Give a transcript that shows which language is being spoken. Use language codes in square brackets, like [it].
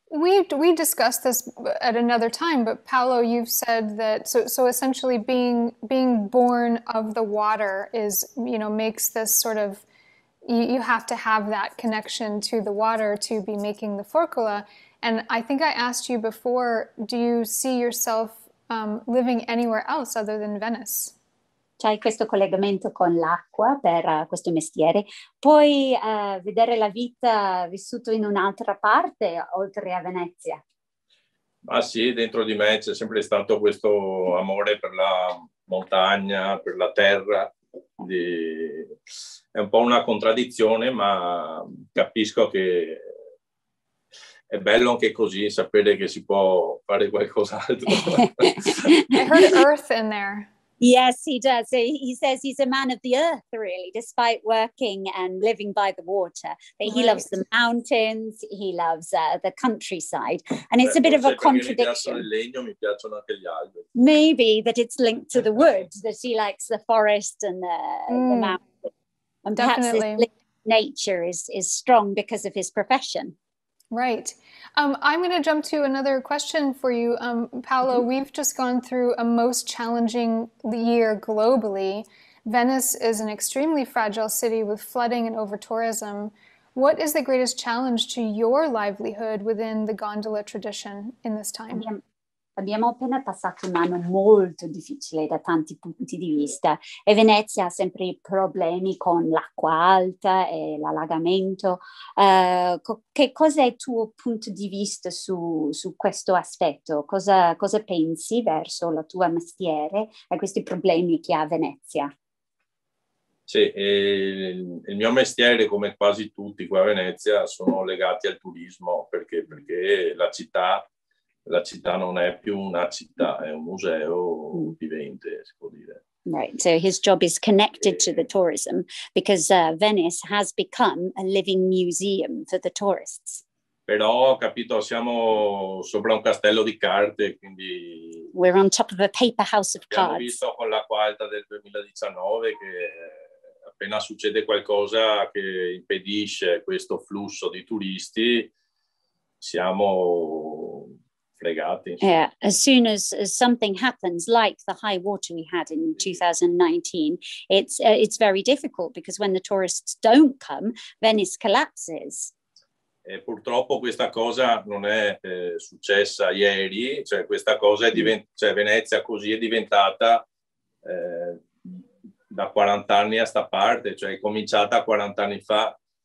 [en] We discussed this at another time, but Paolo, you've said that so essentially being born of the water is, you know, makes this sort of, you have to have that connection to the water to be making the forcola. And I think I asked you before, do you see yourself living anywhere else other than Venice? [it] c'hai questo collegamento con l'acqua per questo mestiere, puoi vedere la vita vissuta in un'altra parte oltre a Venezia. Ma sì, dentro di me c'è sempre stato questo amore per la montagna, per la terra. È un po' una contraddizione, ma capisco che è bello anche così, sapere che si può fare qualcos'altro. [en] I heard earth in there. Yes, he does. He says he's a man of the earth, really, despite working and living by the water. But he loves the mountains, he loves the countryside. And it's a bit of a contradiction. [it] Mi piacciono il legno, mi piacciono anche gli alberi. [en] Maybe that it's linked to the woods, that he likes the forest and the mountains. And perhaps nature is strong because of his profession. Right. I'm going to jump to another question for you, Paolo. Mm-hmm. We've just gone through a most challenging year globally. Venice is an extremely fragile city with flooding and over-tourism. What is the greatest challenge to your livelihood within the gondola tradition in this time? [it] Abbiamo appena passato un anno molto difficile da tanti punti di vista e Venezia ha sempre problemi con l'acqua alta e l'allagamento. Che cosa è il tuo punto di vista su questo aspetto? Cosa pensi verso la tua mestiere e questi problemi che ha Venezia? Sì, il mio mestiere, come quasi tutti qua a Venezia, sono legati al turismo. Perché? Perché la città non è più una città, è un museo vivente, si può dire. [en] Right, so his job is connected to the tourism because Venice has become a living museum for the tourists. [it] Però, capito, siamo sopra un castello di carte, quindi... [en] We're on top of a paper house of cards. [it] Abbiamo visto con l'acqua alta del 2019 che appena succede qualcosa che impedisce questo flusso di turisti, siamo... [en] Yeah, as soon as something happens, like the high water we had in 2019, it's very difficult because when the tourists don't come, Venice collapses. [it] E purtroppo questa cosa non è successa ieri, cioè questa cosa è cioè Venezia così è diventata da 40 anni a sta parte, cioè è cominciata 40 anni fa.